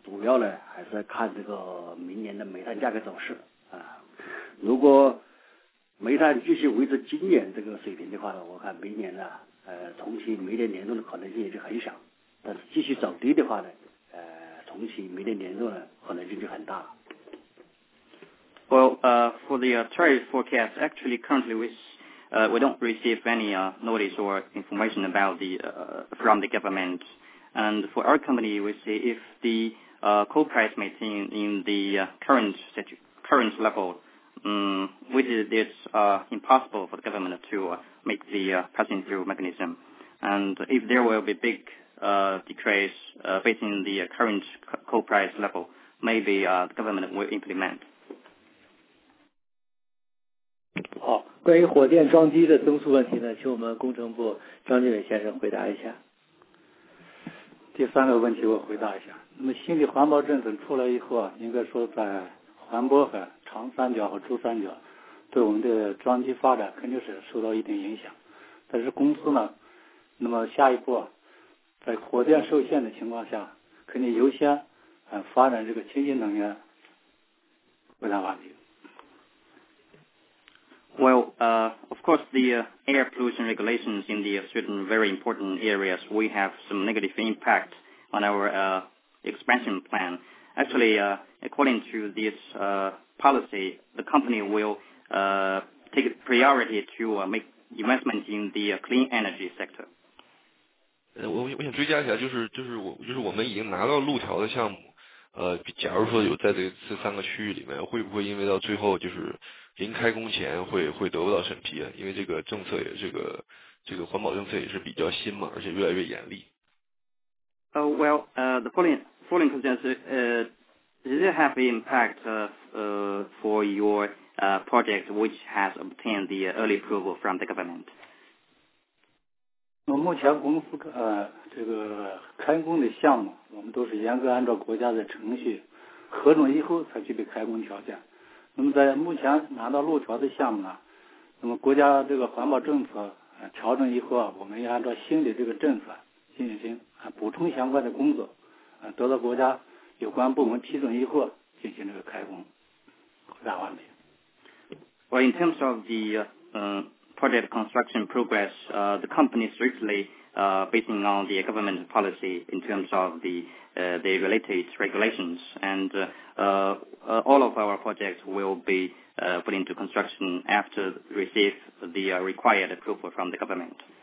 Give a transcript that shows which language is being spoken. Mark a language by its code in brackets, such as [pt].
[zh] 主要呢还是看这个明年的煤炭价格走势啊。如果煤炭继续维持今年这个水平的话呢，我看明年呢。重启煤电联动的可能性也就很小，但是继续走低的话呢，重启煤电联动的可能性就很大了。 [en] Well, for the tariff forecast, actually currently we don't receive any notice or information about the from the government. And for our company, we see if the coal price maintain in the current level. Which is impossible for the government to make the passing through mechanism. And if there will be big decrease based on the current coal price level, maybe the government will implement. [zh] 好，关于火电装机的增速问题呢，请我们工程部张俊伟先生回答一下。第三个问题我回答一下。那么新的环保政策出来以后啊，应该说在环渤海、长三角和珠三角对我们的装机发展肯定是受到一定影响，但是公司呢，那么下一步在火电受限的情况下肯定优先发展这个清洁能源。回答完毕。 [en] Well, of course the air pollution regulations in the certain very important areas we have some negative impact on our expansion plan. Actually, according to this policy, the company will take priority to make investment in the clean energy sector. [zh] 我想追加一下，就是我们已经拿到路条的项目，假如说有在这三个区域里面，会不会因为到最后就是临开工前会得不到审批？因为这个政策也这个环保政策也是比较新嘛，而且越来越严厉。 [en] The following question is. Does it have impact for your project which has obtained the early approval from the government? [zh] 目前公司这个开工的项目我们都是严格按照国家的程序核准以后才具备开工条件。那么在目前拿到路条的项目呢，那么国家这个环保政策调整以后啊，我们也按照新的这个政策进行补充相关的工作得到国家有关部门批准以后进行这个开工。回答完毕。 [en] Well, in terms of the project construction progress, the company strictly basing on the government policy in terms of the related regulations, and all of our projects will be put into construction after receive the required approval from the government.